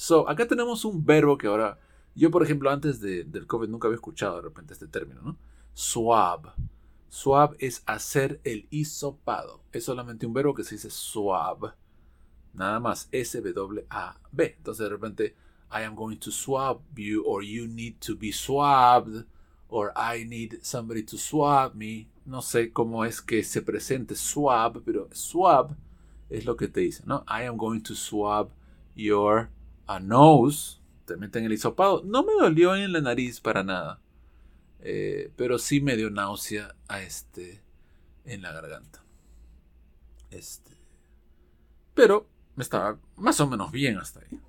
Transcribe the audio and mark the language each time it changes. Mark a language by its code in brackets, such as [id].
[es] So, acá tenemos un verbo que ahora, yo por ejemplo, antes del COVID nunca había escuchado de repente este término, ¿no? Swab. Swab es hacer el hisopado. Es solamente un verbo que se dice swab. Nada más, S-W-A-B. [en] Entonces, de repente, I am going to swab you, or you need to be swabbed, or I need somebody to swab me. [es] No sé cómo es que se presente swab, pero swab es lo que te dice, ¿no? [en] I am going to swab your nose. [es] Te meten el hisopado. No me dolió en la nariz para nada. Pero sí me dio náusea en la garganta. Pero me estaba más o menos bien hasta ahí.